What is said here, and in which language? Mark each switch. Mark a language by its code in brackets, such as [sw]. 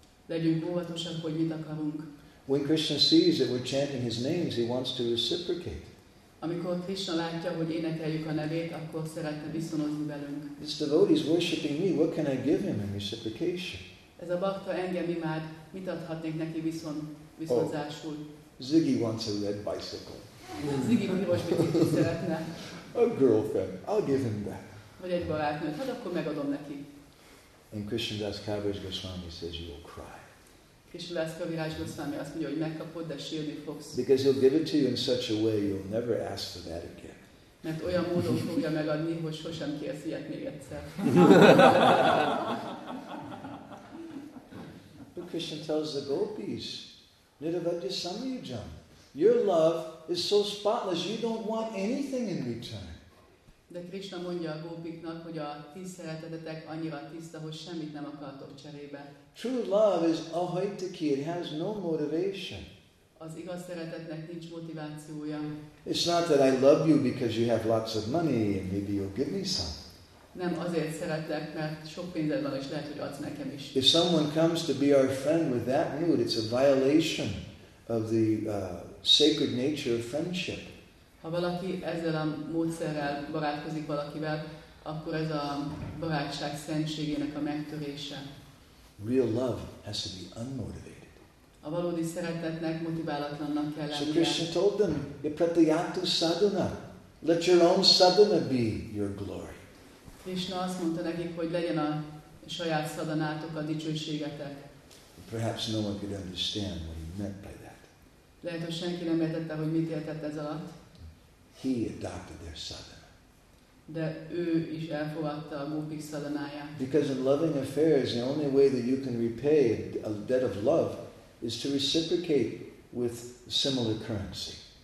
[hu] Legyünk óvatosak, hogy mit akarunk. [en] When Krishna sees that we're chanting his names, he wants to reciprocate. [hu] Amikor Krishna látja, hogy énekeljük a nevét, akkor szeretne viszonozni velünk. [en] This devotee is worshiping me. What can I give him in reciprocation? [hu] Ez a bhakta engem imád, mit adhatnék neki viszonzásul? [en] Ziggy wants a red bicycle. [hu] Ziggy piros biciklit szeretne. [en] A girlfriend. I'll give him that. [hu] Vagy egy barátnőt. Hát akkor megadom neki. [en] And Krishnadas Kaviraj Goswami says you will cry. [hu] Krishnadas Kaviraj Goswami azt mondja, hogy megkapod, de sírni fogsz. [en] Because he'll give it to you in such a way you'll never ask for that again. [hu] Mert olyan módon fogja megadni, hogy sosem kérsz ilyet még egyszer. [en] But Krishna tells the gopis, [sa] Niravadya Samyujam, [en] your love is so spotless, you don't want anything in return. [hu] De Krishna mondja a gópiknak, hogy a ti szeretetetek annyira tiszta, hogy semmit nem akartok cserébe. [en] True love is ahaitaki, it has no motivation. [hu] Az igaz szeretetnek nincs motivációja. [en] It's not that I love you because you have lots of money and maybe you'll give me some. [hu] Nem azért szeretlek, mert sok pénzed van és lehet, hogy adsz nekem is. [en] If someone comes to be our friend with that mood, it's a violation of the sacred nature of friendship. [hu] Ha valaki ezzel a módszerrel barátkozik valakivel, akkor ez a barátság szentségének a megtörése. [en] Real love has to be unmotivated. [hu] A valódi szeretetnek motiválatlannak kell lennie. [en] So Krishna told them, [sa] "Pratyatu sadhana. [en] Let your own sadhana be your glory." [hu] Krishna azt mondta nekik, hogy legyen a saját szadanátok a dicsőségetek. [en] Perhaps no one could understand what he meant by that. [hu] Lehet, hogy senki nem értette, hogy mit értett ez alatt. [en] He adopted their sadhana. [hu] De ő is elfogadta a gópik szadanáját. [en] Because in loving affairs, the only way that you can repay a debt of love is to reciprocate with similar currency.